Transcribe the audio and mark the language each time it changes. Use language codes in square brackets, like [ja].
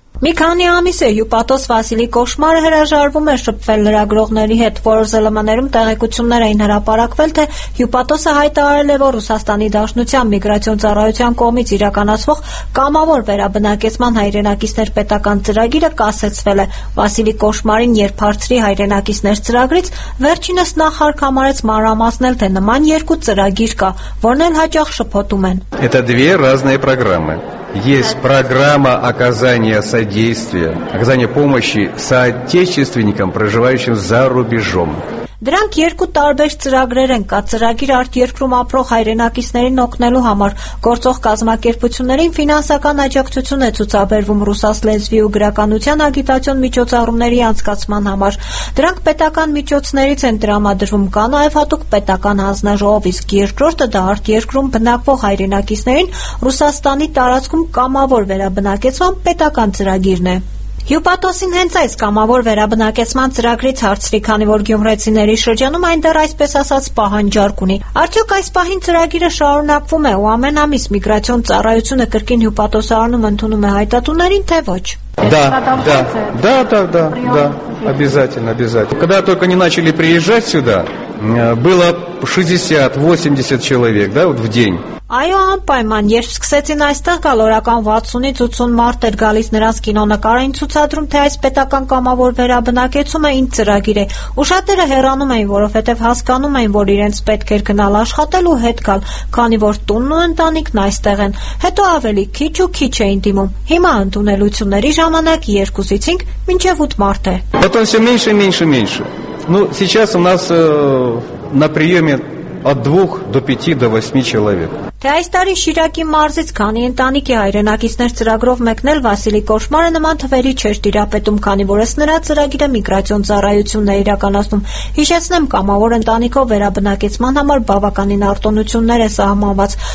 [hy] Մի քանի ամիս է հյուպատոս Վասիլի Կոշմարը հրաժարվում է շփվել լրագրողների հետ, որոշ ԶԼՄ-ներում տեղեկություններ էին հրապարակվել, թե հյուպատոսը հայտարարել է, որ Ռուսաստանի Դաշնության միգրացիոն ծառայության կողմից իրականացվող կամավոր վերաբնակեցման հայրենակիցներ պետական ծրագիրը կասեցվել է։ Վասիլի Կոշմարին երբ հարցրի հայրենակիցներ ծրագրից, վերջինս նախարք համարեց մանրամասնել, թե նման երկու ծրագիր կա, որն էլ հաճախ շփոթում են։ [ru] Это две разные программы. Есть программа оказания содействия, оказания помощи соотечественникам, проживающим за рубежом. [hy] Դրանք երկու տարբեր ծրագրեր են, կա ծրագիր արտերկրում ապրող հայրենակիցներին օգնելու համար, գործող կազմակերպություններին ֆինանսական աջակցություն է ցուցաբերվում ռուսաս լեզվի ու գրականության ագիտացիոն միջոցառումների անցկացման համար։ Դրանք պետական միջոցներից են տրամադրվում, կա նաև հատուկ պետական հանձնաժողով, իսկ երկրորդը դա արտերկրում բնակվող հայրենակիցներին Ռուսաստանի տարածքում կամավոր վերաբնակեցման պետական ծրագիրն է։ Հյուպատոսին հենց այս կամավոր վերաբնակեցման ծրագրից հարցրի, քանի որ գյումրեցիների շրջանում այնտեղ այսպես ասած պահանջարկ ունի։ Արդյոք այս պահին ծրագիրը շարունակվում է ու ամեն ամիս միգրացիոն ծառայությունը կրկին հյուպատոսը առնում ընդունում է հայտատուներին, թե ոչ։ [ru] Да, обязательно. Когда только они начали приезжать сюда, было 60-80 человек, да, вот в день. [hy] Այո, անպայման, երբ սկսեցին այստեղ գալ, օրական 60-ից 80 մարդ էր գալիս նրանց կինոնկարային ցուցադրում, թե այս պետական կամավոր վերաբնակեցումը ինչ ծրագիր է։ Ու շատերը հեռանում էին, որովհետև հասկանում էին, որ իրենց պետք էր գնալ աշխատել ու հետ գալ, քանի որ տունն ու ընտանիքն այստեղ են։ Հետո ավելի քիչ ու քիչ էին դիմում։ Հիմա ընդունելությունների ժամանակ 2-5 մինչև 8 մարդ է։ [ru] Потом всё меньше. Ну, сейчас у нас на приёме от 2 до 5 до 8 человек. [hy] Թե այս տարի Շիրակի մարզից քանի ընտանիքի հայրենակիցներ ծրագրով մեկնել Վասիլի Կոշմարը նման թվերի չէր տիրապետում, քանի որ ես նրա ծրագիրը միգրացիոն ծառայությունն է իրականացնում։ Հիշեցնեմ, կամավոր ընտանիքով վերաբնակեցման համար բավականին արտոնություններ է սահմանված։